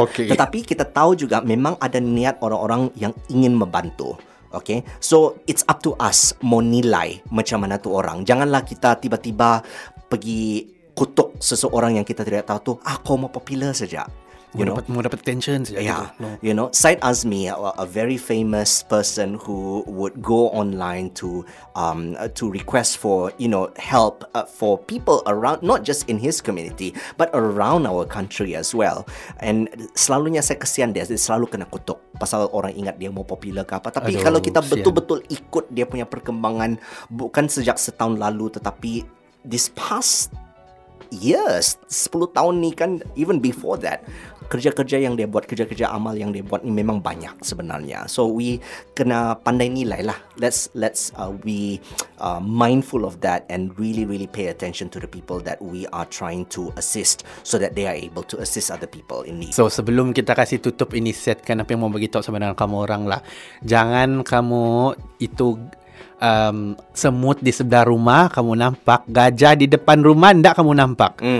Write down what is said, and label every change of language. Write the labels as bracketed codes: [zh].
[ms] Tetapi kita tahu juga memang ada niat orang-orang yang ingin membantu. [en] Okay, so it's up to us [ms] mau nilai macam mana tu orang. Janganlah kita tiba-tiba pergi kutuk seseorang yang kita tidak tahu tu, aku mau popular saja. [en] You know, [ms] mau dapat attention saja. [en] Yeah. No. You know, Said Azmi, a very famous person who would go online to request for, you know, help for people around, not just in his community, but around our country as well. [ms] And selalunya saya kesian dia selalu kena kutuk pasal orang ingat dia mau popular ke apa. Tapi kalau kita betul-betul ikut dia punya perkembangan, bukan sejak setahun lalu, tetapi [en] this past years, [ms] 10 tahun ni kan, [en] even before that, [ms] kerja-kerja yang dia buat, kerja-kerja amal yang dia buat ni memang banyak sebenarnya. So we kena pandai nilai lah. [en] Let's be mindful of that and really really pay attention to the people that we are trying to assist so that they are able to assist other people in need. [ms] So sebelum kita kasih tutup ini set, kan apa yang mau bagi tahu sama dengan kamu orang lah. Jangan kamu itu semut di sebelah rumah kamu nampak, gajah di depan rumah ndak kamu nampak.